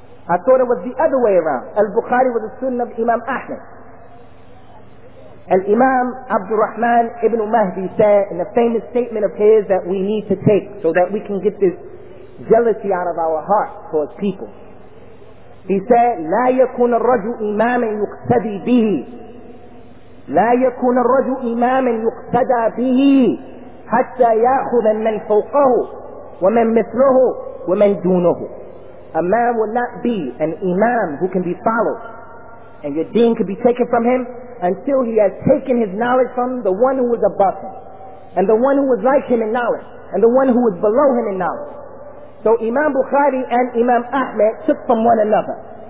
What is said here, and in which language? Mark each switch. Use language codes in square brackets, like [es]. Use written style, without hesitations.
[en] I thought it was the other way around. Al-Bukhari was a student of Imam Ahmed. Al-Imam Abdul Rahman ibn Mahdi said in a famous statement of his that we need to take so that we can get this jealousy out of our hearts towards people. He said, [ar] لا يكون الرجل إماما يقتدي به. لا يكون الرجل إماما يقتدى به. حتى يأخذ من فوقه ومن مثله ومن دونه. [en] A man will not be an imam who can be followed, and your deen can be taken from him, until he has taken his knowledge from the one who is above him, and the one who is like him in knowledge, and the one who is below him in knowledge. So Imam Bukhari and Imam Ahmed took from one another.